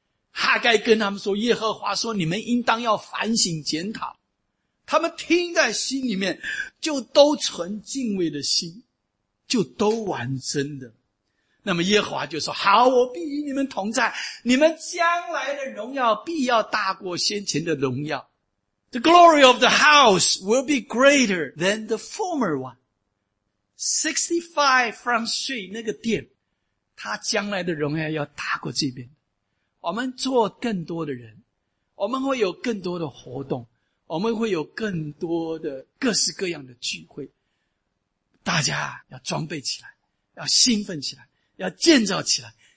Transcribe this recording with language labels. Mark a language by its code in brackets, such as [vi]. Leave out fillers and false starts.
[zh] 哈该跟他们说，耶和华说你们应当要反省检讨，他们听在心里面就都存敬畏的心，就都完真的，那么耶和华就说，好，我必与你们同在，你们将来的荣耀必要大过先前的荣耀。 [en] The glory of the house will be greater than the former one. [zh] 65 Front Street 那个殿，它将来的荣耀要大过这边。我们做更多的人，我们会有更多的活动，我们会有更多的各式各样的聚会。大家要装备起来，要兴奋起来，要建造起来，